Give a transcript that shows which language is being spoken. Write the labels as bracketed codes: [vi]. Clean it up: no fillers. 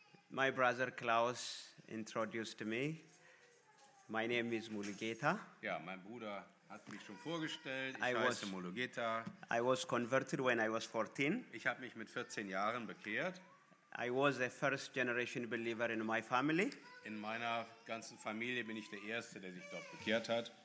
[en] My brother Klaus introduced me. My name is Mulugeta. [de] Ja, mein Bruder hat mich schon vorgestellt. Ich heiße Mulugeta. [en] I was converted when I was 14. [de] Ich habe mich mit 14 Jahren bekehrt. [en] I was a first generation believer in my family. [de] In meiner ganzen Familie bin ich der Erste, der sich dort bekehrt hat.